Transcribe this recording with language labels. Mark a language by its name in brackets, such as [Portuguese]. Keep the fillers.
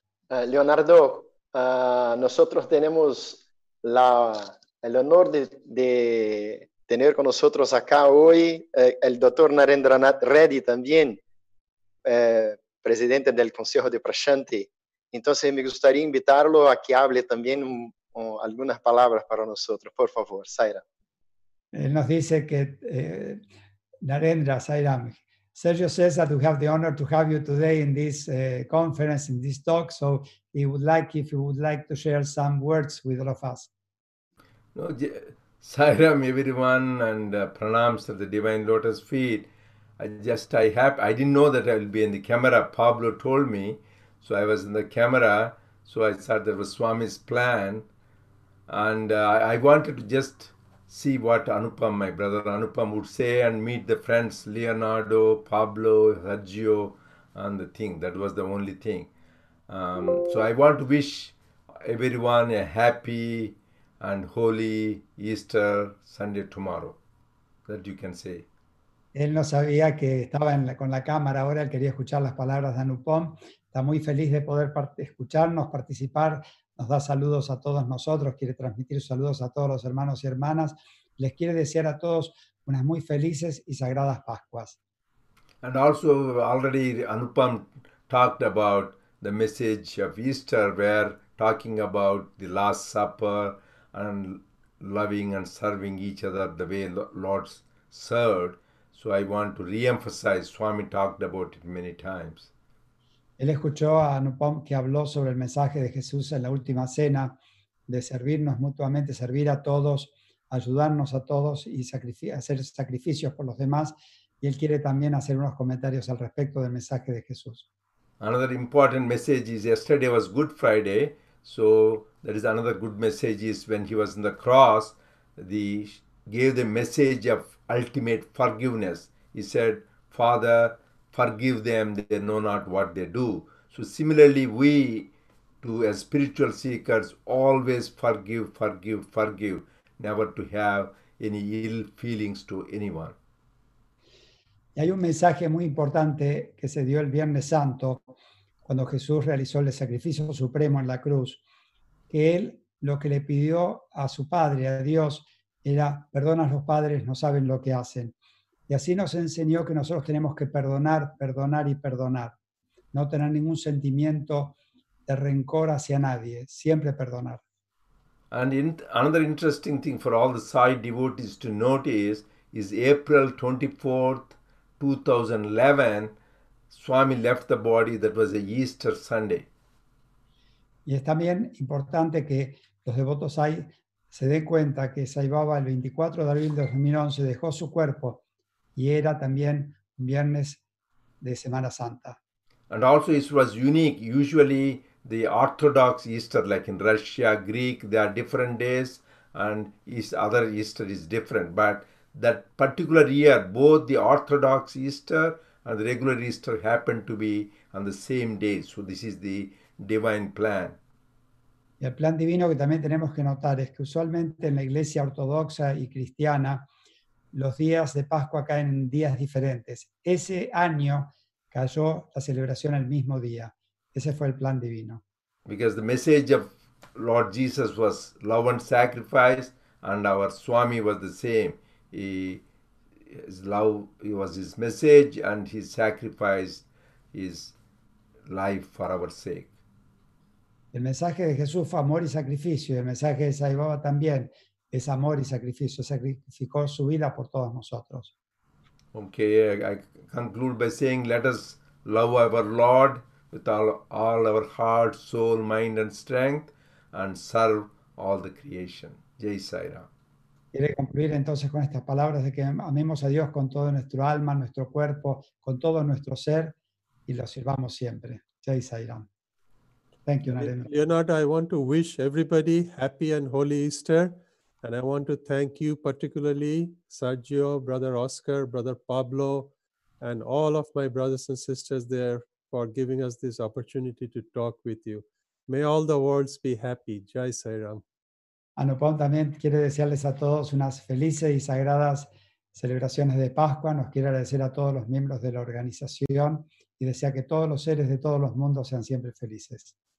[Spanish] Uh, Leonardo, uh, nosotros tenemos la, el honor de, de, tener con nosotros acá hoy eh, el doctor Narendranath Reddy también, eh, presidente del Consejo de Prashanti. Entonces me gustaría invitarlo a que hable también un, un, algunas palabras para nosotros. Por favor, Zaira. Él nos dice que eh, [English] Narendra Sairam, Sergio says that we have the honor to have you today in this uh, conference, in this talk. So he would like, if you would like to share some words with all of us. No, Sairam, everyone, and uh, pranams of the Divine Lotus feet. I just, I have, I didn't know that I will be in the camera. Pablo told me. So I was in the camera. So I thought that was Swami's plan. And uh, I wanted to just see what Anupam, my brother Anupam, would say and meet the friends Leonardo, Pablo, Sergio, and the thing. That was the only thing. Um, so I want to wish everyone a happy and holy Easter Sunday tomorrow. That you can say. [Spanish] Él no sabía que estaba en la, con la cámara ahora, él quería escuchar las palabras de Anupam. Está muy feliz de poder part escucharnos, participar nos da saludos a todos nosotros, quiere transmitir saludos a todos los hermanos y hermanas, les quiere desear a todos unas muy felices y sagradas Pascuas. [English] And also already Anupam talked about the message of Easter where talking about the last supper and loving and serving each other the way Lord served. So I want to re-emphasize Swami talked about it many times. [Spanish] Él escuchó a Anupam que habló sobre el mensaje de Jesús en la última cena, de servirnos mutuamente, servir a todos, ayudarnos a todos y sacrific hacer sacrificios por los demás. Y él quiere también hacer unos comentarios al respecto del mensaje de Jesús. [English] Another important message is yesterday was Good Friday, so there is another good message is when he was on the cross, the gave the message of ultimate forgiveness. He said, Father, forgive them, they know not what they do. So similarly, we to as spiritual seekers always forgive, forgive, forgive, never to have any ill feelings to anyone. [Spanish] Y hay un mensaje muy importante que se dio el Viernes Santo, cuando Jesús realizó el sacrificio supremo en la cruz, que él lo que le pidió a su Padre, a Dios, era, perdona a los padres, no saben lo que hacen. Y así nos enseñó que nosotros tenemos que perdonar, perdonar y perdonar. No tener ningún sentimiento de rencor hacia nadie. Siempre perdonar. [English] And in, another interesting thing for all the Sai devotees to notice is April 24th 2011, Swami left the body. That was a Easter Sunday. [Spanish] Y es también importante que los devotos hay, se den cuenta que Sai Baba el 24 de abril de 2011 dejó su cuerpo y era también un viernes de Semana Santa. [English] And also, it was unique. Usually, the Orthodox Easter, like in Russia, Greek, there are different days, and each other Easter is different. But that particular year, both the Orthodox Easter and the regular Easter happened to be on the same day. So, this is the divine plan. [Spanish] Y el plan divino que también tenemos que notar es que usualmente en la iglesia ortodoxa y cristiana los días de Pascua caen en días diferentes. Ese año cayó la celebración el mismo día. Ese fue el plan divino. [English] Because the message of Lord Jesus was love and sacrifice, and our Swami was the same. He, his love was his message, and he sacrificed his life for our sake. [Spanish] El mensaje de Jesús fue amor y sacrificio, y el mensaje de Sai Baba también es amor y sacrificio. Sacrificó su vida por todos nosotros. [English] Okay, I, I conclude by saying, let us love our Lord with all, all our heart, soul, mind, and strength, and serve all the creation. Jai Sai Ram. [Spanish] Quiere concluir entonces con estas palabras de que amemos a Dios con todo nuestro alma, nuestro cuerpo, con todo nuestro ser y lo sirvamos siempre. [English] Jai Sai Ram. Thank you, Narendra. Leonard, I want to wish everybody happy and holy Easter. And I want to thank you, particularly Sergio, Brother Oscar, Brother Pablo, and all of my brothers and sisters there for giving us this opportunity to talk with you. May all the worlds be happy. Jai Sai Ram. [Spanish] Anupam también quiere desearles a todos unas felices y sagradas celebraciones de Pascua. Nos quiere agradecer a todos los miembros de la organización y desea que todos los seres de todos los mundos sean siempre felices.